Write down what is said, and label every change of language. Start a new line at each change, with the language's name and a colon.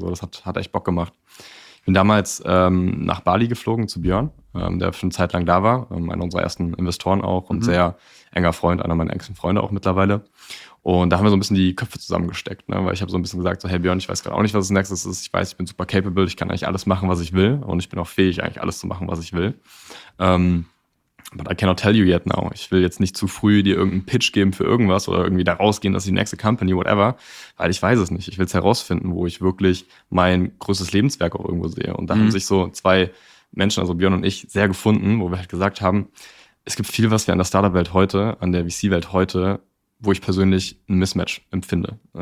German: So. Das hat echt Bock gemacht. Ich bin damals nach Bali geflogen zu Björn, der für eine Zeit lang da war, einer unserer ersten Investoren auch und sehr enger Freund, einer meiner engsten Freunde auch mittlerweile. Und da haben wir so ein bisschen die Köpfe zusammengesteckt, ne? Weil ich habe so ein bisschen gesagt, so, hey Björn, ich weiß gerade auch nicht, was das nächste ist. Ich weiß, ich bin super capable, ich kann eigentlich alles machen, was ich will. Und ich bin auch fähig, eigentlich alles zu machen, was ich will.
English: But I cannot tell you yet now.
German: Ich will jetzt nicht zu früh dir irgendeinen Pitch geben für irgendwas oder irgendwie da rausgehen, dass die nächste Company, whatever. Weil ich weiß es nicht. Ich will es herausfinden, wo ich wirklich mein größtes Lebenswerk auch irgendwo sehe. Und da haben sich so zwei Menschen, also Björn und ich, sehr gefunden, wo wir halt gesagt haben, es gibt viel, was wir an der Startup-Welt heute, an der VC-Welt heute, wo ich persönlich ein Mismatch empfinde.